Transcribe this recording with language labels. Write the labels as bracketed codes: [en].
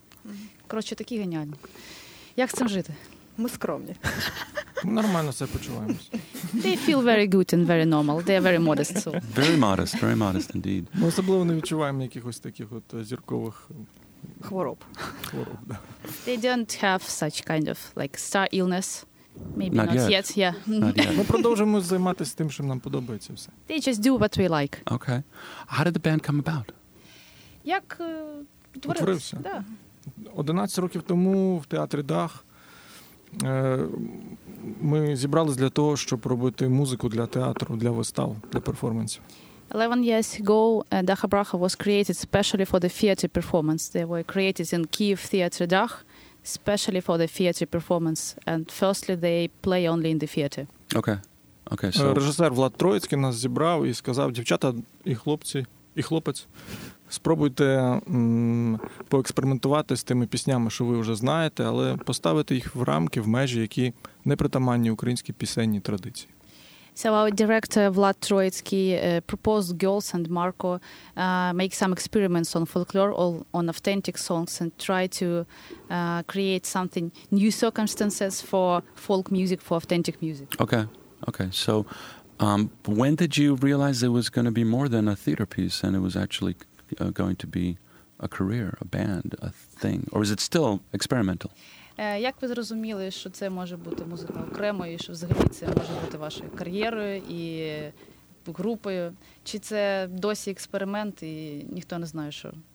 [uk] І коротше, такі геніальні. Як з цим жити? Ми скромні. Нормально це почуваємось. [en] They feel very good and very normal. They are very modest. So. Very modest indeed. [uk] Ми особливо не відчуваємо якихось таких от зіркових. Хвороб. Хвороб, да. [en] They don't have such kind of like star illness. Maybe not yet. [uk] Ми продовжимо займатися тим, що нам подобається все. [en] They just do what we like. Okay. How did the band come about? [uk] Як утворився? 11 років тому в театрі Дах ми зібрались для того, щоб робити музику для театру, для вистав, для перформансів. [en] 11 years ago, Dacha Bracha was created specially for the theater performance. They were created in Kyiv Theater Dach, specially for the theater performance. And firstly, they play only in the theater. Okay. Okay, so... [uk] Режисер Влад Троїцький нас зібрав і сказав, дівчата і хлопці, і хлопець, спробуйте поекспериментувати з тими піснями, що ви вже знаєте, але поставити їх в рамки, в межі, які не притаманні українській пісенній традиції. [en] So our director Vlad Troitsky proposed girls and Marco make some experiments on folklore or on authentic songs and try to create something new circumstances for folk music, for authentic music. Okay. Okay. So when did you realize it was going to be more than a theater piece and it was actually going to be a career, a band, a thing? Or is it still experimental? [uk] Як ви зрозуміли, що це може бути музика окремо, і що взагалі це може бути вашою кар'єрою і групою? Чи це досі експеримент, і ніхто не знає, що?